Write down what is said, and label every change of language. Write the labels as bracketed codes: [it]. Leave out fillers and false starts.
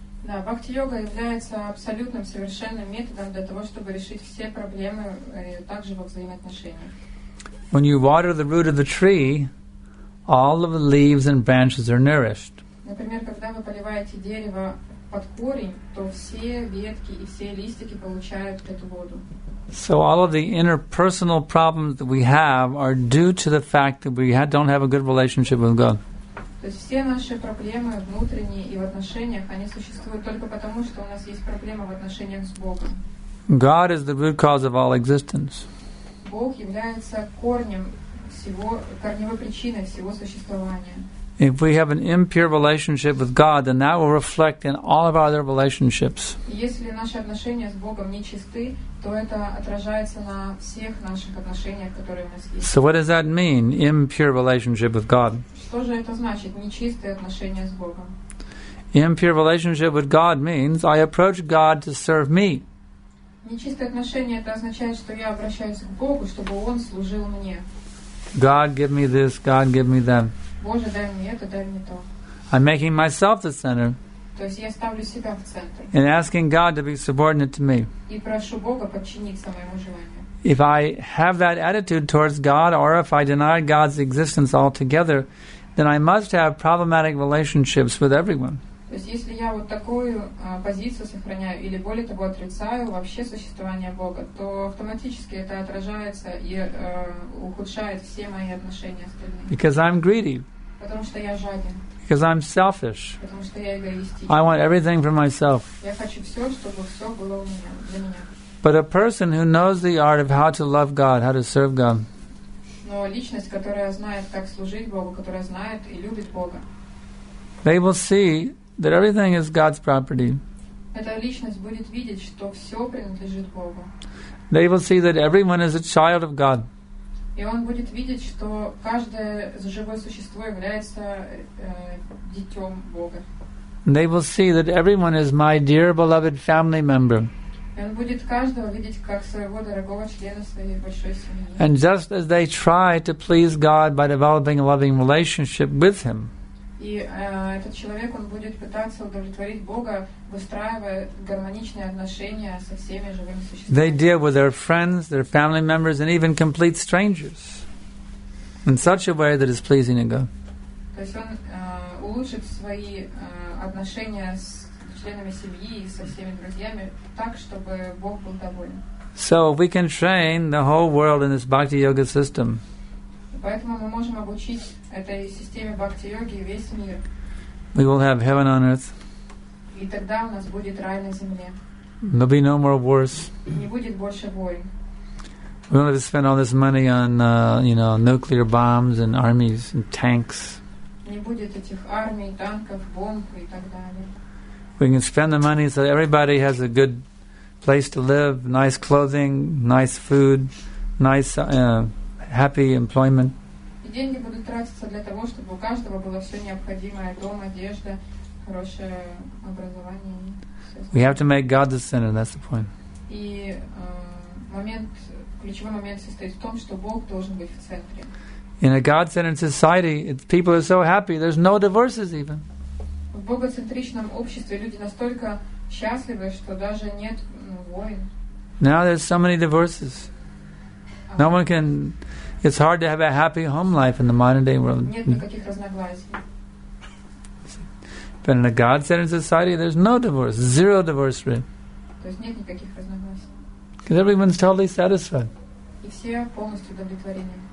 [ru] Да, бхакти йога является абсолютным совершенным методом для того, чтобы решить все проблемы также во взаимоотношениях. [en] When you water the root of the tree, all of the leaves and branches are nourished. [ru] Например, когда вы поливаете дерево под корень, то все ветки и все листики получают эту воду. [en] So all of the interpersonal problems that we have are due to the fact that we don't have a good relationship with God. [ru] То есть все наши проблемы внутренние и в отношениях, они существуют только потому, что у нас есть проблема в отношениях с Богом. [en] God is the root cause of all existence. [ru] Бог является корнем всего, корневой причиной всего существования. [en] If we have an impure relationship with God, then that will reflect in all of our other relationships. [ru] Если наши отношения с Богом нечисты, то это отражается на всех наших отношениях, которые у нас есть. [en] So what does that mean, impure relationship with God? [ru] Что же это значит, нечистые отношения с Богом? [en] Impure relationship with God means I approach God to serve me. [ru] Нечистые отношения это означает, что я обращаюсь к Богу, чтобы Он служил мне. [en] God, give me this. God, give me that. [ru] Боже, дай мне это, дай мне то. [en] I'm making myself the center. [ru] То есть я ставлю себя в центр. [en] And asking God to be subordinate to me. [ru] И прошу Бога подчиниться моему желанию. [en] If I have that attitude towards God, or if I deny God's existence altogether, then I must have problematic relationships with everyone. [ru] То есть если я вот такую позицию сохраняю или более того отрицаю вообще существование Бога, то автоматически это отражается и ухудшает все мои отношения с людьми. [en] Because I'm greedy. [ru] Потому что я жаден. [en] Because I'm selfish. [ru] Потому что я эгоистичен. [en] I want everything for myself. [ru] Я хочу все, чтобы все было у меня, для меня. [en] But a person who knows the art of how to love God, how to serve God. [ru] Но личность, которая знает, как служить Богу, которая знает и любит Бога. [en] They will see that everything is God's property. [ru] Эта личность будет видеть, что все принадлежит Богу. [en] They will see that everyone is a child of God. [ru] И он будет видеть, что каждое живое существо является детем Бога. [en] They will see that everyone is my dear beloved family member. [ru] И он будет каждого видеть как своего дорогого члена своей большой семьи. [en] And just as they try to please God by developing a loving relationship with Him. [ru] И этот человек, он будет пытаться удовлетворить Бога, выстраивая гармоничные отношения со всеми живыми существами. [en] They deal with their friends, their family members, and even complete strangers in such a way that is pleasing to God. [ru] То есть он улучшит свои отношения с членами семьи и со всеми друзьями так, чтобы Бог был доволен. [en] So we can train the whole world in this bhakti yoga system. [ru] Поэтому мы можем обучить этой системе бхакти-йоги весь мир. [en] We will have heaven on earth. [ru] И тогда у нас будет рай на земле. [en] There'll be no more wars. [ru] Не будет больше войн. [en] We don't have to spend all this money on, nuclear bombs and armies and tanks. [ru] Не будет этих армий, танков, бомб и так далее. [en] We can spend the money so that everybody has a good place to live, nice clothing, nice food, nice happy employment. [ru] Деньги будут тратиться для того, чтобы у каждого было все необходимое: дом, одежда, хорошее образование. [en] We have to make God the center. That's the point. [ru] И момент, ключевой момент состоит в том, что Бог должен быть в центре. [en] In a God-centered society, people are so happy. There's no divorces even. [ru] В богоцентричном обществе люди настолько счастливы, что даже нет войн. [en] Now there's so many divorces. No one can. It's hard to have a happy home life in the modern day world. [ru] Нет никаких разногласий. [en] But in a God-centered society, there's no divorce, zero divorce rate. [ru] То есть нет никаких разногласий. [en] Because everyone's totally satisfied. [ru] И все полностью удовлетворены.